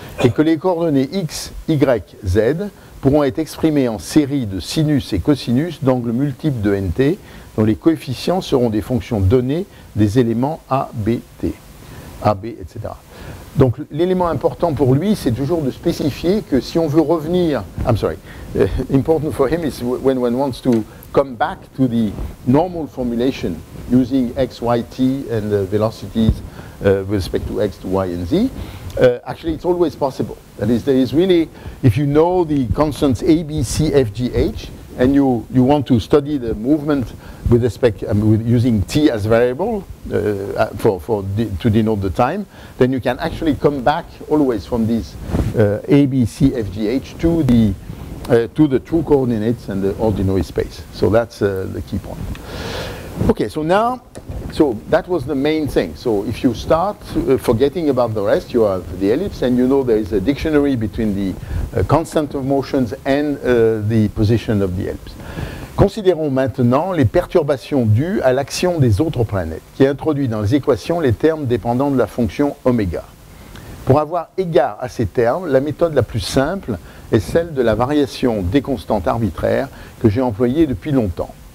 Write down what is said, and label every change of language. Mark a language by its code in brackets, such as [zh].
[fr] Et que les coordonnées X, Y, Z pourront être exprimées en série de sinus et cosinus d'angles multiples de NT, dont les coefficients seront des fonctions données des éléments A, B, T, A, B, etc. Donc l'élément important pour lui, c'est toujours de spécifier que si on veut revenir... [en] I'm sorry. Important for him is when one wants to come back to the normal formulation using X, Y, T and the velocities with respect to X, to Y and Z. Actually, it's always possible. That is, there is really, if you know the constants A, B, C, F, G, H, and you want to study the movement with respect, with using T as variable to denote the time, then you can actually come back always from this A, B, C, F, G, H to the true coordinates and the ordinary space. So that's the key point. Okay, so now, so that was the main thing. So if you start forgetting about the rest, you have the ellipse, and you know there is a dictionary between the constant of motions and the position of the ellipse. [fr] Considérons maintenant les perturbations dues à l'action des autres planètes, qui introduit dans les équations les termes dépendants de la fonction oméga. Pour avoir égard à ces termes, la méthode la plus simple est celle de la variation des constantes arbitraires que j'ai employée depuis longtemps.